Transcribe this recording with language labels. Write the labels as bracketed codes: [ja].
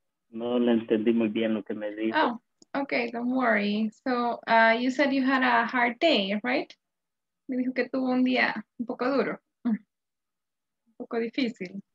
[es] No le entendí muy bien lo que me dijo. [en] Oh. Okay, don't worry. So you said you had a hard day, right? [es] Me dijo que tuvo un día un poco duro, un poco difícil.